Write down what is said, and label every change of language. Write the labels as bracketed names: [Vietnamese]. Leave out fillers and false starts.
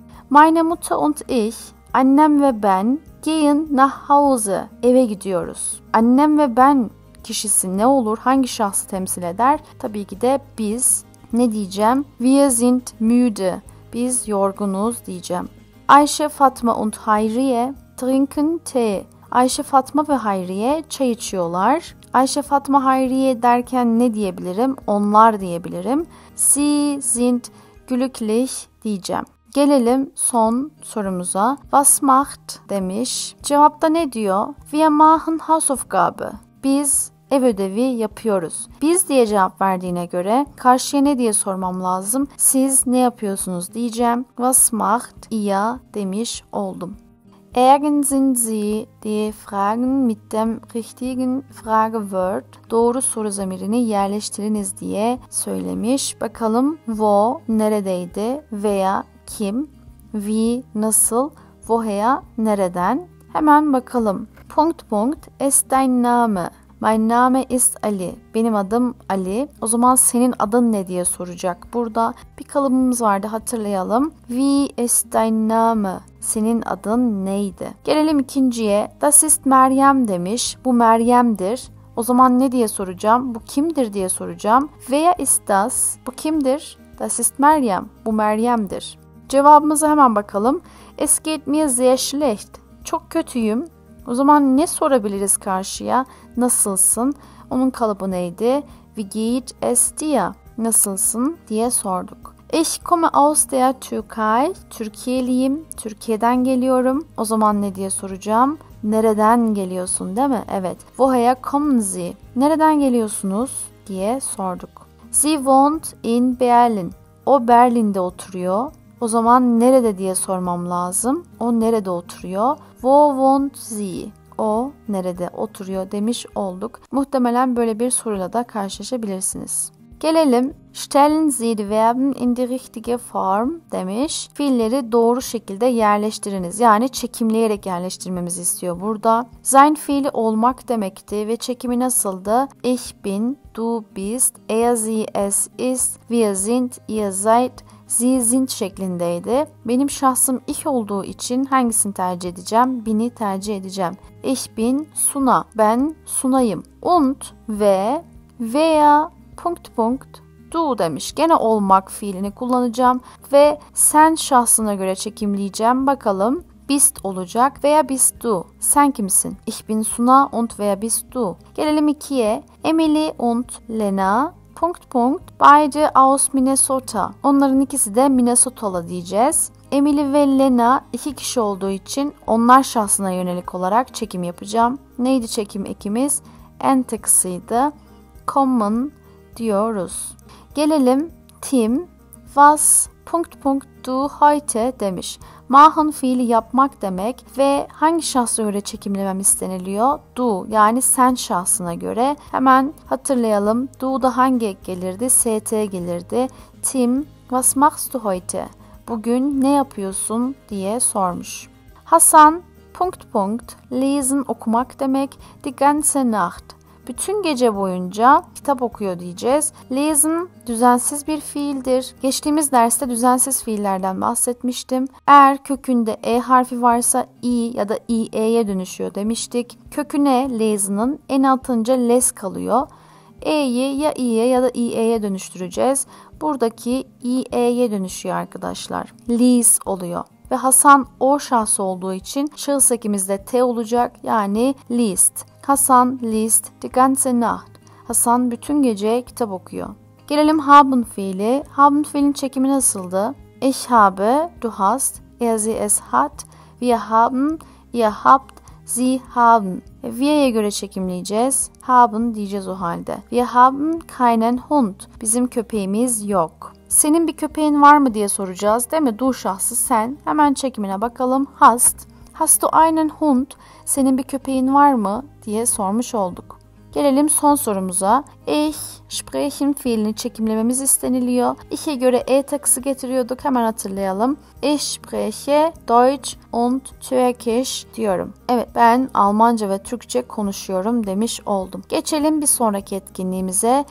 [German] Meine Mutter und ich, [Turkish] annem ve ben, [German] gehen nach Hause, [Turkish] eve gidiyoruz. Annem ve ben kişisi ne olur, hangi şahsı temsil eder? Tabii ki de biz. Ne diyeceğim? [German] Wir sind müde, [Turkish] biz yorgunuz diyeceğim. [German] Ayşe, Fatma und Hayriye trinken Tee. [Turkish] Ayşe, Fatma ve Hayriye çay içiyorlar. Ayşe, Fatma, Hayriye derken ne diyebilirim? Onlar diyebilirim. [German] Sie sind glücklich [Turkish] diyeceğim. Gelelim son sorumuza. Was macht demiş. Cevapta ne diyor? [German] Wir machen Hausaufgabe. [Turkish] Biz ev ödevi yapıyoruz. Biz diye cevap verdiğine göre karşıya ne diye sormam lazım? Siz ne yapıyorsunuz diyeceğim. [German] Was macht ihr [Turkish] demiş oldum. [German] Eğer sind Sie die Fragen mit dem richtigen Fragewort [Turkish] doğru soru zamirini yerleştiriniz diye söylemiş. Bakalım wo neredeydi veya kim, wie nasıl, woher nereden? Hemen bakalım. [German] Punkt punkt ist dein Name. Mein Name ist Ali. [Turkish] Benim adım Ali. O zaman senin adın ne diye soracak. Burada bir kalıbımız vardı, hatırlayalım. [German] Wie ist dein Name? [Turkish] Senin adın neydi? Gelelim ikinciye. [German] Das ist Meryem [Turkish] demiş. Bu Meryem'dir. O zaman ne diye soracağım? Bu kimdir diye soracağım. [German] Wer ist das? [Turkish] Bu kimdir? [German] Das ist Meryem. [Turkish] Bu Meryem'dir. Cevabımıza hemen bakalım. [German] Es geht mir sehr schlecht. [Turkish] Çok kötüyüm. O zaman ne sorabiliriz karşıya? Nasılsın? Onun kalıbı neydi? [German] Wie geht es dir? [Turkish] Nasılsın diye sorduk. [German] Ich komme aus der Türkei. [Turkish] Türkiye'liyim. Türkiye'den geliyorum. O zaman ne diye soracağım? Nereden geliyorsun, değil mi? Evet. [German] Woher kommen Sie? [Turkish] Nereden geliyorsunuz diye sorduk. [German] Sie wohnt in Berlin. [Turkish] O Berlin'de oturuyor. O zaman nerede diye sormam lazım. O nerede oturuyor? [German] Wo wohnt sie? [Turkish] O nerede oturuyor demiş olduk. Muhtemelen böyle bir soruyla da karşılaşabilirsiniz. Gelelim. [German] Stellen Sie die Verben in die richtige Form demiş. [Turkish] Fiilleri doğru şekilde yerleştiriniz. Yani çekimleyerek yerleştirmemizi istiyor burada. Sein fiili olmak demekti ve çekimi nasıldı? [German] Ich bin, du bist, er, sie, es ist, wir sind, ihr seid. Sie sind şeklindeydi. [Turkish] Benim şahsım ich olduğu için hangisini tercih edeceğim? Bin'i tercih edeceğim. [German] Ich bin Suna. [Turkish] Ben Sunayım. [German] Und ve veya punkt punkt du demiş. [Turkish] Gene olmak fiilini kullanacağım. Ve sen şahsına göre çekimleyeceğim. Bakalım bist olacak veya bist du. Sen kimsin? [German] Ich bin Suna und veya bist du. [Turkish] Gelelim ikiye. [German] Emily und Lena. Punkt punkt beide aus Minnesota. [Turkish] Onların ikisi de Minnesota'lı diyeceğiz. Emily ve Lena iki kişi olduğu için onlar şahsına yönelik olarak çekim yapacağım. Neydi çekim ekimiz? Entex'iydi. Common diyoruz. Gelelim Tim. [German] Was punkt punkt du heute demiş. [Turkish] Machen fiili yapmak demek ve hangi şahsa göre çekimlemem isteniliyor? Du, yani sen şahsına göre. Hemen hatırlayalım. Du'da hangi ek gelirdi? St gelirdi. [German] Tim, was machst du heute? [Turkish] Bugün ne yapıyorsun diye sormuş. Hasan, punkt punkt, lesen okumak demek. [German] Die ganze Nacht. [Turkish] Bütün gece boyunca kitap okuyor diyeceğiz. Lesen düzensiz bir fiildir. Geçtiğimiz derste düzensiz fiillerden bahsetmiştim. Eğer kökünde e harfi varsa i ya da ie'ye dönüşüyor demiştik. Köküne lesen'ın en altınca les kalıyor. E'yi ya i'ye ya da ie'ye dönüştüreceğiz. Buradaki ie'ye dönüşüyor arkadaşlar. Lees oluyor. Ve Hasan o şahsı olduğu için şahıs ekimizde t olacak. Yani list. [German] Hasan liest die ganze Nacht. [Turkish] Hasan bütün gece kitap okuyor. Gelelim haben fiili. Haben fiilin çekimi nasıldı? [German] Ich habe, du hast, er, sie, es hat, wir haben, ihr habt, sie haben. [Turkish] Wir'ye göre çekimleyeceğiz. Haben diyeceğiz o halde. [German] Wir haben keinen Hund. [Turkish] Bizim köpeğimiz yok. Senin bir köpeğin var mı diye soracağız, değil mi? Du şahsı sen. Hemen çekimine bakalım. [German] Hast. Hast du einen Hund? [Turkish] Senin bir köpeğin var mı diye sormuş olduk. Gelelim son sorumuza. Ich sprechen fiilini çekimlememiz isteniliyor. Ich'e göre e takısı getiriyorduk. Hemen hatırlayalım. [German] Ich spreche Deutsch und Türkisch diyorum. [Turkish] Evet, ben Almanca ve Türkçe konuşuyorum demiş oldum. Geçelim bir sonraki etkinliğimize.